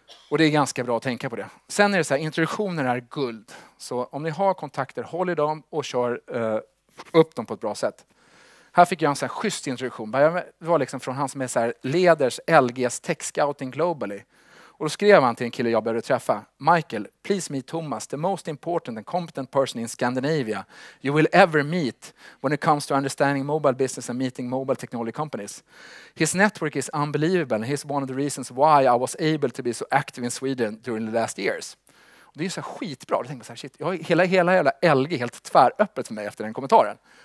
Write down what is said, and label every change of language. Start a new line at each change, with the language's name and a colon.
Swedish: Och det är ganska bra att tänka på det. Sen är det så här, introduktioner är guld. Så om ni har kontakter, håll i dem och kör upp dem på ett bra sätt. Här fick jag en sån här schysst introduktion. Det var liksom från han som är så här leders LGs tech scouting globally. Och då skrev han till en kille jag började träffa.
English: Michael, please meet Thomas, the most important and competent person in Scandinavia you will ever meet when it comes to understanding mobile business and meeting mobile technology companies. His network is unbelievable and he's one of the reasons why I was able to be so active in Sweden during the last years.
Swedish: Och det är ju så här skitbra. Då tänkte jag så här, shit, jag har hela LG helt tväröppet för mig efter den kommentaren.